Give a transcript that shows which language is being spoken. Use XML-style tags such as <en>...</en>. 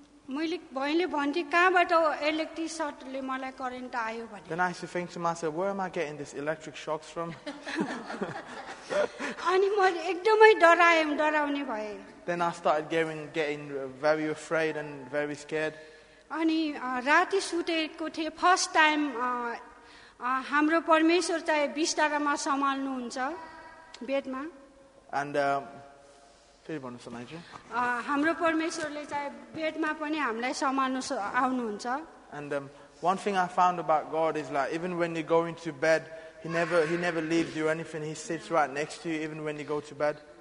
<ne>मैले भैले भन्थे कहाँबाट इलेक्ट्रिक सर्टले मलाई करेन्ट आयो भने</ne> <en>Then I used to think to myself where am I getting this electric shocks from?</en> <ne>अनि म एकदमै डराउने भए</ne> <en>Then I started getting very afraid and very scared</en> <ne>अनि राति सुतेको थिए फर्स्ट टाइम हाम्रो परमेश्वर चाहिँ बिस्तारामा सम्हाल्नु हुन्छ बेडमा</ne> <en>And</en> <ne>हाम्रो परमेश्वरले चाहिँ बेडमा पनि हामीलाई सम्हाल्नु आउनुहुन्छ</ne> <en>and one thing I found about God is like even when you go into bed he never leaves you or anything he sits right next to you even when you go to bed</en>